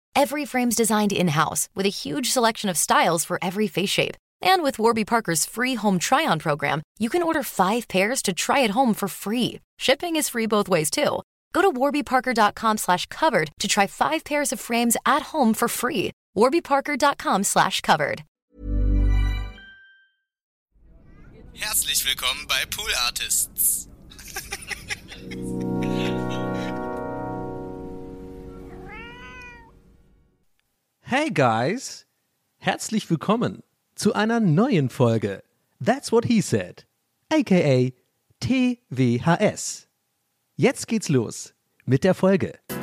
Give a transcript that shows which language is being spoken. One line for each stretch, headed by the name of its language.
English: Every frame's designed in-house with a huge selection of styles for every face shape. And with Warby Parker's free home try-on program, you can order 5 pairs to try at home for free. Shipping is free both ways, too. Go to warbyparker.com/covered to try 5 pairs of frames at home for free. warbyparker.com/covered.
German: Herzlich willkommen bei Pool Artists. Hey guys, herzlich willkommen zu einer neuen Folge.
English: That's what he said, aka TWHS.
German: Jetzt geht's los mit der Folge.